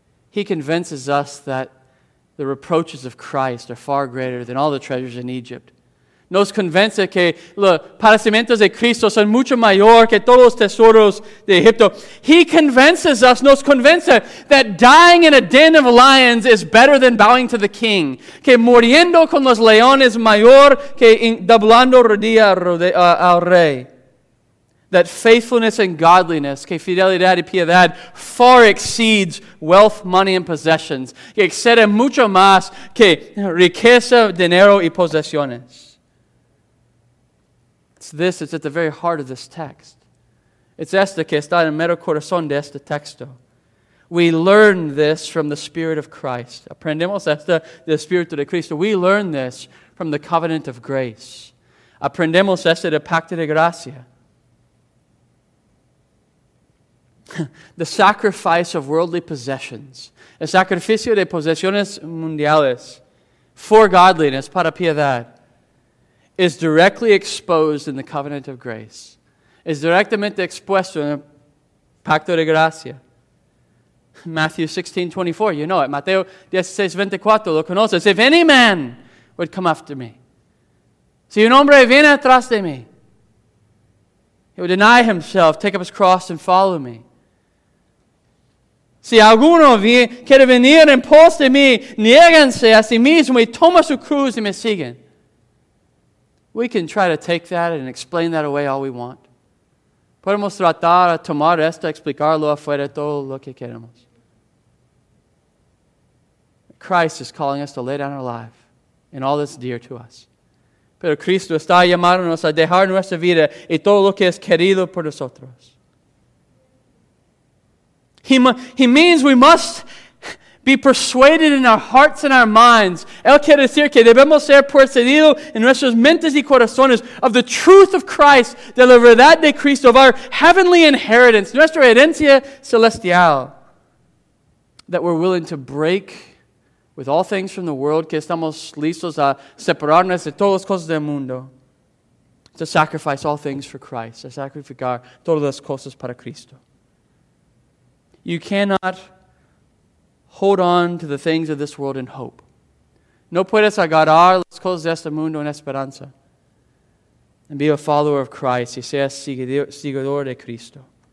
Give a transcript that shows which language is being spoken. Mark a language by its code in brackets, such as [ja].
[en] He convinces us that the reproaches of Christ are far greater than all the treasures in Egypt. [es] Nos convence que los padecimientos de Cristo son mucho mayor que todos los tesoros de Egipto. [en] He convinces us, [es] nos convence, [en] that dying in a den of lions is better than bowing to the king. [es] Que muriendo con los leones mayor que doblando rodilla al rey. [en] That faithfulness and godliness, [es] que fidelidad y piedad, [en] far exceeds wealth, money, and possessions. [es] Que excede mucho más que riqueza, dinero, y posesiones. [en] It's at the very heart of this text. [es] It's esto que está en el mero corazón de este texto. [en] We learn this from the Spirit of Christ. [es] Aprendemos esto del Espíritu de Cristo. [en] We learn this from the covenant of grace. [es] Aprendemos esto del pacto de gracia. [en] The sacrifice of worldly possessions, [es] el sacrificio de posesiones mundiales [en] for godliness, [es] para piedad, [en] is directly exposed in the covenant of grace, is [es] directamente expuesto en el pacto de gracia. [en] Matthew 16:24, you know it. [es] Mateo 16:24, lo conoces. [en] If any man would come after me, [es] si un hombre viene atrás de mí, [en] he would deny himself, take up his cross, and follow me. [es] Si alguno quiere venir en pos de mí, niéganse a sí mismo y toma su cruz y me siguen. [en] We can try to take that and explain that away all we want. [es] Podemos tratar a tomar esto, explicarlo afuera todo lo que queremos. [en] Christ is calling us to lay down our life in all that's dear to us. [es] Pero Cristo está llamándonos a dejar nuestra vida y todo lo que es querido por nosotros. [en] He means we must be persuaded in our hearts and our minds. [es] Él quiere decir que debemos ser persuadidos en nuestras mentes y corazones [en] of the truth of Christ, [es] de la verdad de Cristo, [en] of our heavenly inheritance, [es] nuestra herencia celestial, [en] that we're willing to break with all things from the world, [es] que estamos listos a separarnos de todas las cosas del mundo, [en] to sacrifice all things for Christ, [es] a sacrificar todas las cosas para Cristo. [en] You cannot hold on to the things of this world in hope. [es] No puedes agarrar las cosas de este mundo en esperanza [en] and be a follower of Christ [es] y seas seguidor de Cristo.